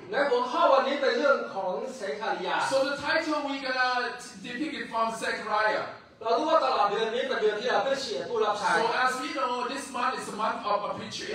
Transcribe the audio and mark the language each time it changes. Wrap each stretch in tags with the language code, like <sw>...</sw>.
<th>และหัวข้อวันนี้เป็นเรื่องของเซคาริยา</th> <en>So the title we gonna depict it from Zechariah</en> <th>เรารู้ว่าตลอดเดือนนี้เป็นเดือนที่เราต้องเฉียดผู้รับใช้</th> <en>So as we know this month is a month of appreciation</en>